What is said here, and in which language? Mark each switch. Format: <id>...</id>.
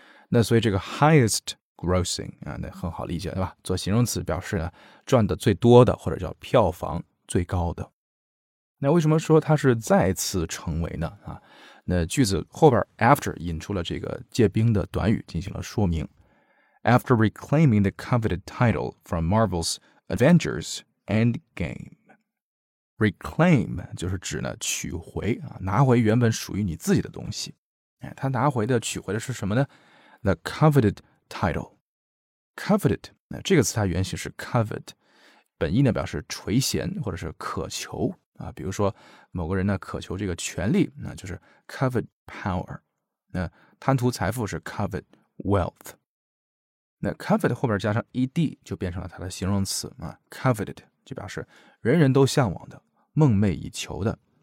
<zh>那所以这个 highestGrossing 啊，那很好理解对吧？做形容词表示呢，赚的最多的或者叫票房最高的。那为什么说它是再次成为呢？啊，那句子后边 after 引出了这个借宾的短语进行了说明。</zh> <en>After reclaiming the coveted title from Marvel's Avengers Endgame, reclaim</en> <zh>就是指呢取回啊，拿回原本属于你自己的东西。哎，他拿回的取回的是什么呢</zh> <en>？The coveted title. Coveted</en> <zh>这个词它原型是 covet， 本意呢表示垂涎或者是渴求啊，比如说某个人呢渴求这个权利，那就是</zh> <en>covet power，</en> <zh>那贪图财富是</zh> <en>covet wealth，</en> <zh>那 covet 后边加上 ed 就变成了它的形容词啊， coveted 就表示人人都向往的，梦寐以求的。</zh>